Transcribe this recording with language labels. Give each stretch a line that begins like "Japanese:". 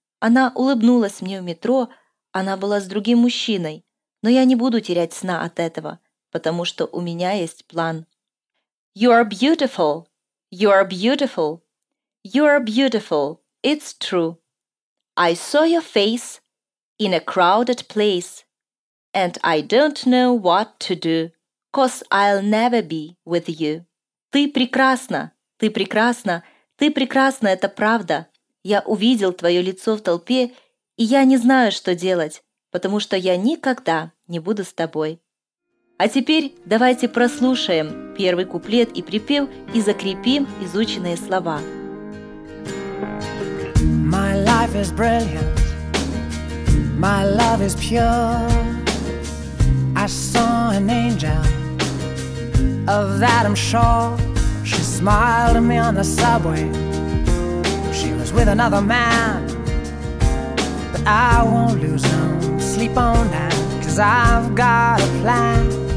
Russian: Она улыбнулась мне в метро. Она была с другим мужчиной. Но я не буду терять сна от этого, потому что у меня есть план.
English: You are beautiful. You are beautiful. You are beautiful. It's true. I saw your face in a crowded place. And I don't know what to do, 'cause I'll never be with you.
Russian: Ты прекрасна, ты прекрасна, ты прекрасна, это правда. Я увидел твое лицо в толпе, и я не знаю, что делать, потому что я никогда не буду с тобой. А теперь давайте прослушаем первый куплет и припев и закрепим изученные слова.
English: My life is brilliant, my love is pure. I saw an angel, of that I'm sure. She smiled at me on the subway. She was with another man, but I won't lose no sleep on that, 'cause I've got a plan.